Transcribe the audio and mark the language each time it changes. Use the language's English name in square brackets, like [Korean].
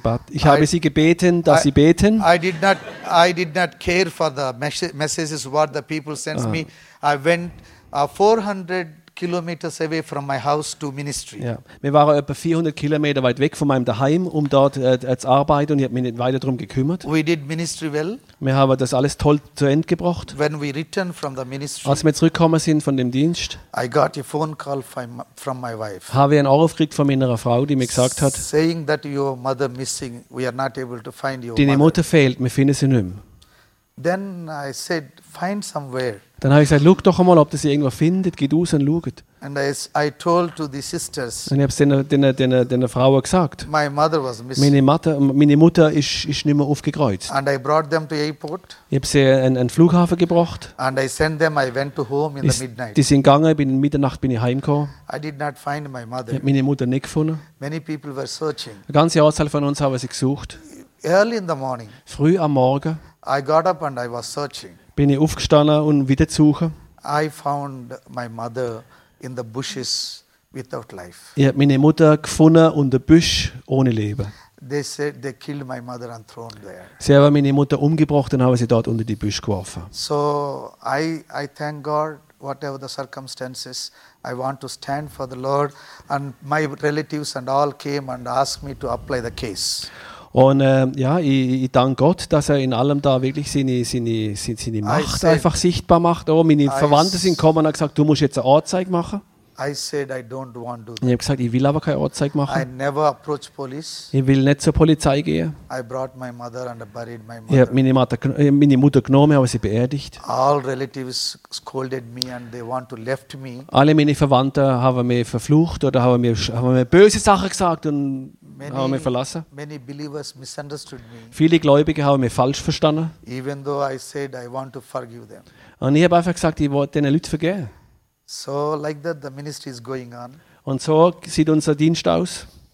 [German] Ich habe sie gebeten, dass sie beten. [English] I did not care for the messages what the people sends me. I went 400 kilometers away from my house to ministry. [German] Ja. Wir waren etwa 400 Kilometer weit weg von meinem Daheim, um dort zu arbeiten, und ich habe mich nicht weiter darum gekümmert. [English] We did ministry well. [German] Wir haben das alles toll zu Ende gebracht. [English] When we returned from the ministry, [German] als wir zurückgekommen sind von dem Dienst, [English] I got a phone call from my wife. [German] Habe ich einen Anruf gekriegt von meiner Frau, die mir gesagt hat, [English] saying that your mother missing, we are not able to find your mother. [German] Deine Mutter fehlt, wir finden sie nicht mehr. [English] Then I said, find somewhere. [German] Dann habe ich gesagt, schau doch einmal, ob das ihr irgendwo findet. Geht raus und schaut. [English] And I told to the sisters, [German] und ich habe es den Frauen gesagt. [English] My mother was missing. [German] Meine Mutter ist nicht mehr aufgekreuzt. [English] And I brought them to airport. [German] Ich habe sie an den Flughafen gebracht. [English] And I sent them, I went to home in the midnight. [German] Die sind gegangen, in Mitternacht bin ich heimgekommen. [English] I did not find my mother. [German] Ich habe meine Mutter nicht gefunden. [English] Many people were searching. [German] Eine ganze Anzahl von uns haben sie gesucht. [English] Early in the morning. [German] Früh am Morgen. [English] I got up and I was searching. [German] Bin ich aufgestanden und wieder zu suchen. [English] I found my mother in the bushes without life. [German] Ich habe meine Mutter gefunden unter Büsch ohne Leben. [English] They said they killed my mother and thrown there. [German] Sie haben meine Mutter umgebracht und haben sie dort unter die Büsch geworfen. [English] So I thank God whatever the circumstances. I want to stand for the Lord and my relatives and all came and asked me to apply the case. [German] Und ja, ich danke Gott, dass er in allem da wirklich seine Macht said, einfach sichtbar macht. Oh, meine Verwandten sind gekommen und haben gesagt, du musst jetzt eine Anzeige machen. [English] I said, I don't want to do that. [German] Ich habe gesagt, ich will aber keine Anzeige machen. [English] I never approach police. [German] Ich will nicht zur Polizei gehen. [English] I brought my mother and buried my mother. [German] Ich habe meine Mutter genommen, aber sie beerdigt. [English] All relatives scolded me and they want to left me. [German] Alle meine Verwandten haben mich verflucht oder haben mir böse Sachen gesagt und many, haben mich verlassen. [English] Many believers misunderstood me. [German] Viele Gläubige haben mich falsch verstanden. [English] Even though I said, I want to forgive them. [German] Und ich habe einfach gesagt, ich wollte den Leuten vergeben. [English] So like that the ministry is going on. [German] Und so sieht unser Dienst aus.